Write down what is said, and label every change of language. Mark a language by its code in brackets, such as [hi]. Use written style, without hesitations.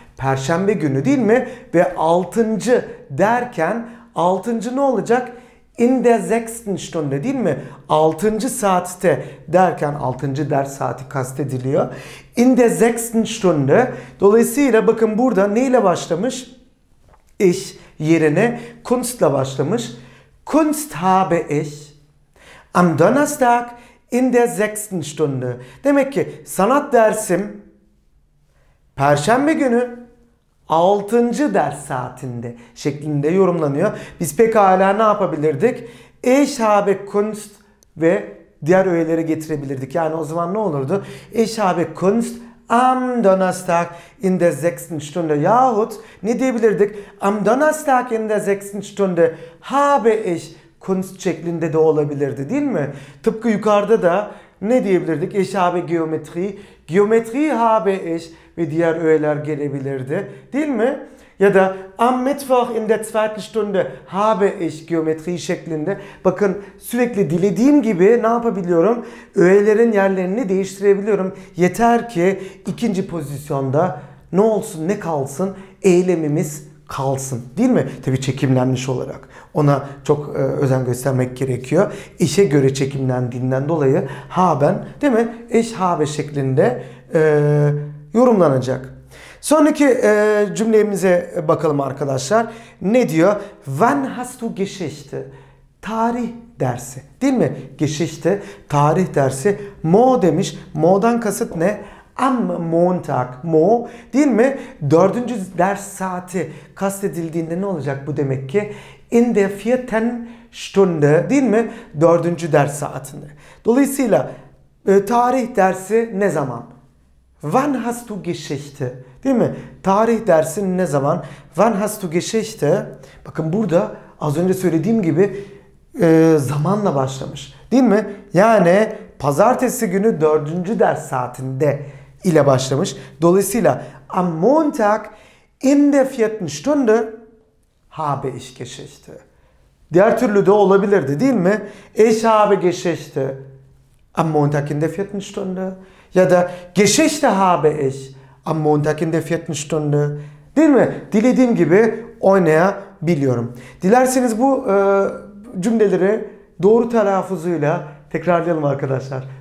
[tr] Perşembe günü değil mi? Ve altıncı derken altıncı ne olacak? [de] In der sechsten Stunde [tr] değil mi? Altıncı saatte derken altıncı ders saati kastediliyor. [de] In der sechsten Stunde. [tr] Dolayısıyla bakın burada neyle başlamış? Ich yerine Kunst'la başlamış. [de] Kunst habe ich am Donnerstag in der sechsten Stunde. [tr] Demek ki sanat dersim Perşembe günü 6. ders saatinde şeklinde yorumlanıyor. Biz pekala ne yapabilirdik? [de] Ich habe Kunst [tr] ve diğer öğeleri getirebilirdik. Yani o zaman ne olurdu? [de] Ich habe Kunst am Donnerstag in der 6. Stunde. [tr] Yahut ne diyebilirdik? [de] Am Donnerstag in der 6. Stunde habe ich Kunst [tr] şeklinde de olabilirdi değil mi? Tıpkı yukarıda da ne diyebilirdik? [de] Ich habe Geometrie. Geometrie habe ich [tr] ve diğer öğeler gelebilirdi. Değil mi? Ya da [de] am Mittwoch in der zweiten Stunde habe ich Geometrie şeklinde. [tr] Bakın sürekli dilediğim gibi ne yapabiliyorum? Öğelerin yerlerini değiştirebiliyorum. Yeter ki ikinci pozisyonda ne olsun ne kalsın eylemimiz kalsın. Değil mi? Tabii çekimlenmiş olarak. Ona çok özen göstermek gerekiyor. İşe göre çekimlendiğinden dolayı haben değil mi? [de] Ich habe [tr] şeklinde yorumlanacak. Sonraki cümlemize bakalım arkadaşlar. Ne diyor? [de] Wann hast du Geschichte? [tr] Tarih dersi. Değil mi? Geschichte, tarih dersi. Mo demiş. Mo'dan kasıt ne? [de] Am Montag. [tr] Mo değil mi? Dördüncü ders saati kastedildiğinde ne olacak bu demek ki? [de] In der vierten Stunde [tr] değil mi? Dördüncü ders saatinde. Dolayısıyla tarih dersi ne zaman? [de] Wann hast du Geschichte? [tr] Değil mi? Tarih dersin ne zaman? [de] Wann hast du Geschichte? [tr] Bakın burada az önce söylediğim gibi zamanla başlamış. Değil mi? Yani pazartesi günü dördüncü ders saatinde ile başlamış. Dolayısıyla [de] am Montag in der vierten Stunde habe ich Geschichte. [tr] Diğer türlü de olabilirdi değil mi? [de] Ich habe Geschichte am Montag in der vierten Stunde. [tr] Ya da [de] Geschichte habe ich am Montag in der vierten Stunde. [tr] Değil mi? Dilediğim gibi oynayabiliyorum. Dilerseniz bu cümleleri doğru telaffuzuyla tekrarlayalım arkadaşlar.